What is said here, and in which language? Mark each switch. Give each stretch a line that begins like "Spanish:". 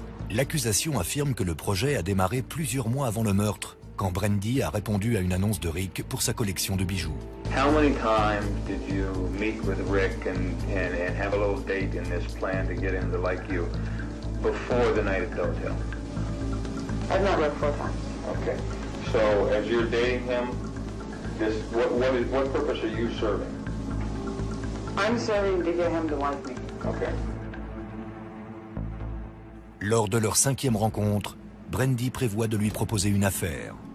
French: L'accusation affirme que le projet a démarré plusieurs mois avant le meurtre, quand Brandy a répondu à une annonce de Rick pour sa collection de bijoux.
English: How many times did you meet with Rick and have a little date in this plan to get him to like you before the night at the hotel? I've met Rick 4 times. Okay. So as you're dating him, this what purpose are you serving? I'm serving to get him to like me. Okay.
French: Lors de leur 5e rencontre, Brandy prévoit de lui proposer une affaire.